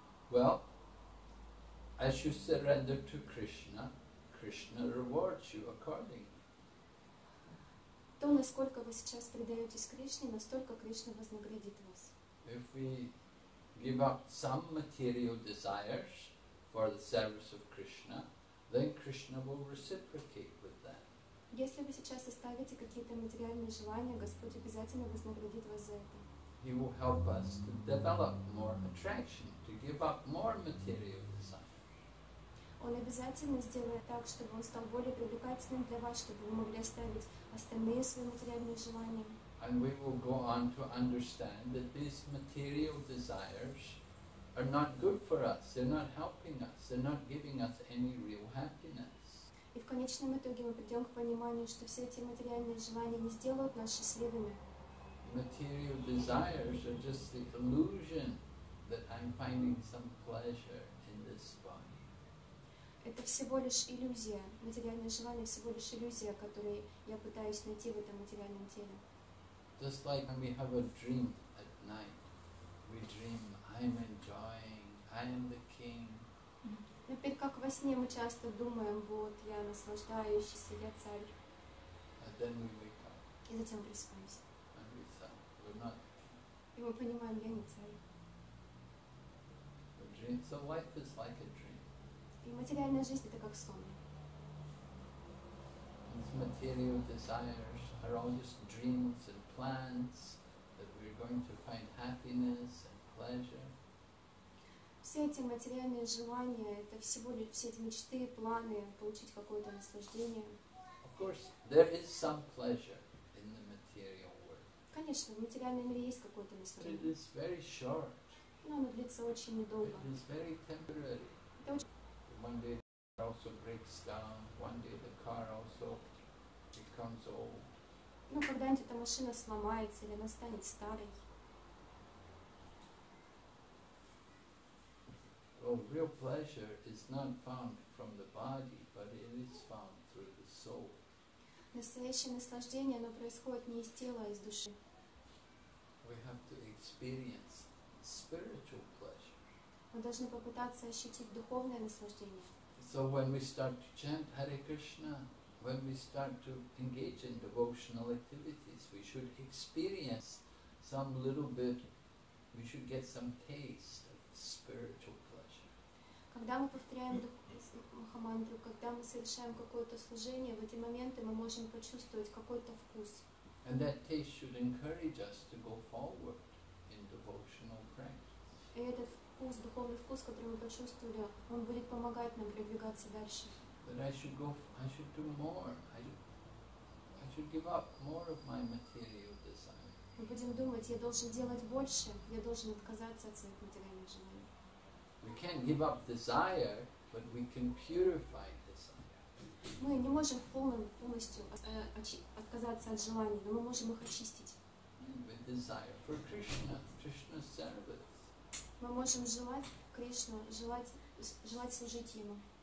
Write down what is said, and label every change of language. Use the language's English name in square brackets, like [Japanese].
[English] Well, as you surrender to Krishna, Krishna rewards you accordingly. [Russian] То, насколько вы сейчас предаетесь Кришне, настолько Кришна вознаградит вас. [English] If we give up some material desires for the service of Krishna, then Krishna will reciprocate with that. [Russian] Если вы сейчас оставите какие-то материальные желания, Господь обязательно вознаградит вас за это. [English] He will help us to develop more attraction, to give up more material desires. [Russian] Он обязательно сделает так, чтобы он стал более привлекательным для вас, чтобы вы могли оставить остальные свои материальные желания. [English] And we will go on to understand that these material desires are not good for us. They're not helping us. They're not giving us any real happiness. [Russian] И в конечном итоге мы придем к пониманию, что все эти материальные желания не сделают нас счастливыми. [English] Material desires are just the illusion that I'm finding some pleasure in this body. [Russian] Это всего лишь иллюзия. Материальное желание всего лишь иллюзия, которую я пытаюсь найти в этом материальном теле. [English] Just like when we have a dream at night, we dream, I'm enjoying, I'm the king. [Russian] Например, как во сне мы часто думаем, вот я наслаждающийся, я царь. [English] And then we wake up. [Russian] И затем просыпаемся. [English] And we say, we're not the king. [Russian] И мы понимаем, я не царь. [English] The dream, so life is like a dream. [Russian] И материальная жизнь — это как сон. [English] These material desires are all just dreams and plans that we're going to find happiness and pleasure. [Russian] Все эти материальные желания — это всего лишь все эти мечты, планы получить какое-то наслаждение. [English] Of course, there is some pleasure in the material world. [Russian] Конечно, в материальном мире есть какое-то наслаждение. [English] It is very short. [Russian] Но оно длится очень недолго. [English] It is very temporary. One day the car also breaks down, one day the car also becomes old. [Russian] Ну, когда-нибудь эта машина сломается или она станет старой. [English] Well, real pleasure is not found from the body, but it is found through the soul. [Russian] Настоящее наслаждение, оно происходит не из тела, а из души. [English] We have to experience spiritual pleasure. [Russian] Мы должны попытаться ощутить духовное наслаждение. [English] So when we start to chant Hare Krishna, when we start to engage in devotional activities, we should experience some little bit, we should get some taste of spiritual pleasure. [Russian] Когда мы повторяем Махамантру, когда мы совершаем какое-то служение, в эти моменты мы можем почувствовать какой-то вкус. [English] And that taste should encourage us to go forward in devotional practice. [Russian] Вкус, духовный вкус, который мы почувствовали, он будет помогать нам продвигаться дальше. [English] But I should do more. I should give up more of my material desire. [Russian] Мы будем думать, я должен делать больше, я должен отказаться от своих материальных желаний. [English] We can't give up desire, but we can purify desire. [Russian] Мы не можем полностью отказаться от желаний, но мы можем их очистить. [English] With desire for Krishna, Krishna's service. [Russian] Мы можем желать Кришну, желать служить Ему.